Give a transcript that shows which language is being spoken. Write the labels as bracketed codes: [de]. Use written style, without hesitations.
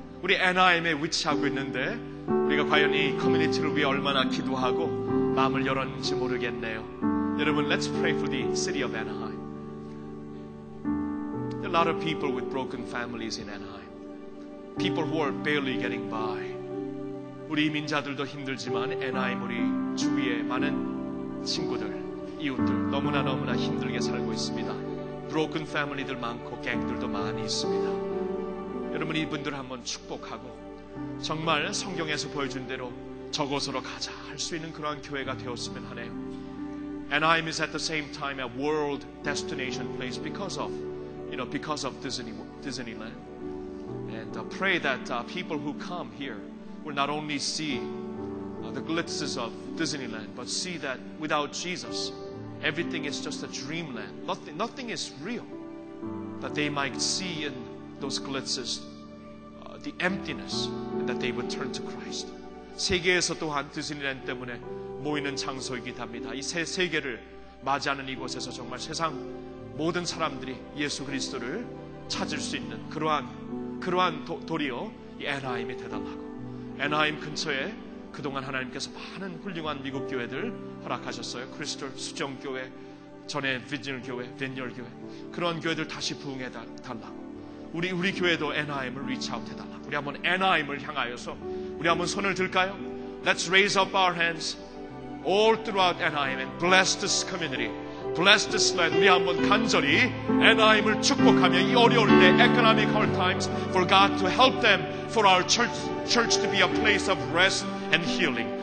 [ko] 애나하임에 위치하고 있는데 우리가 과연 이 커뮤니티를 위해 얼마나 기도하고 마음을 열었는지 모르겠네요. [en] 여러분, let's pray for the city of Anaheim. There are a lot of people with broken families in Anaheim. People who are barely getting by. [ko] 우리 이민자들도 힘들지만 애나하임 우리 주위에 많은 친구들, 이웃들 너무나 너무나 힘들게 살고 있습니다. Broken family들 많고 갱들도 많이 있습니다. 여러분, 이분들 한번 축복하고 정말 성경에서 보여준 대로 저곳으로 가자 할 수 있는 그러한 교회가 되었으면 하네요. [en] Anaheim is at the same time a world destination place because of Disneyland. And I pray that people who come here will not only see the glitzes of Disneyland, but see that without Jesus, everything is just a dreamland. Nothing is real. That they might see in those glitzes, the emptiness, and that they would turn to Christ. [ko] 세계에서 또한 디즈니랜드 때문에 모이는 장소이기도 합니다. 이 새 세계를 맞이하는 이곳에서 정말 세상 모든 사람들이 예수 그리스도를 찾을 수 있는 그러한 도리어 이 애나하임이 대단하고 애나하임 근처에 그동안 하나님께서 많은 훌륭한 미국 교회들 허락하셨어요. 크리스털 수정교회, 전에 비즈니교회, 벤열교회 그런 교회들 다시 부흥해달라고 우리 교회도 애나하임을 reach out 해달라. 우리 한번 애나하임을 향하여서 우리 한번 손을 들까요? [en] Let's raise up our hands all throughout Anaheim and bless this community, bless this land. [ko] 우리 한번 간절히 애나하임을 축복하며 이 어려울 때 [en] economic hard times for God to help them, for our church to be a place of rest and healing.